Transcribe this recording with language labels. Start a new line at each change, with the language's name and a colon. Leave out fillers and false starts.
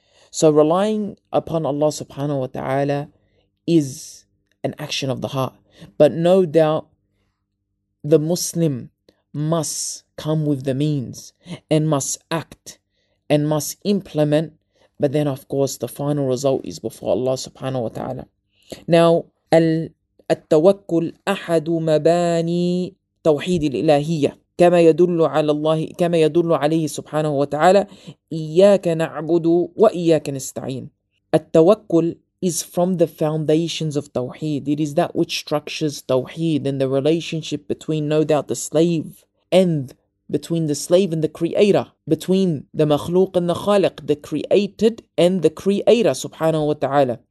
English: So relying upon Allah subhanahu wa ta'ala is an action of the heart. But no doubt, the Muslim must come with the means and must act and must implement. But then, of course, the final result is before Allah subhanahu wa ta'ala.
Arabic: Now, التوكل أحد مباني توحيد الإلهية كما يدل عليه سبحانه وتعالى إياك نعبد وإياك نستعين.
English: التوكل is from the foundations of tawheed. It is that which structures tawheed and the relationship between, no doubt, the slave and between the slave and the creator, between the makhluq and the khaliq, the created and the creator, subhanahu wa ta'ala.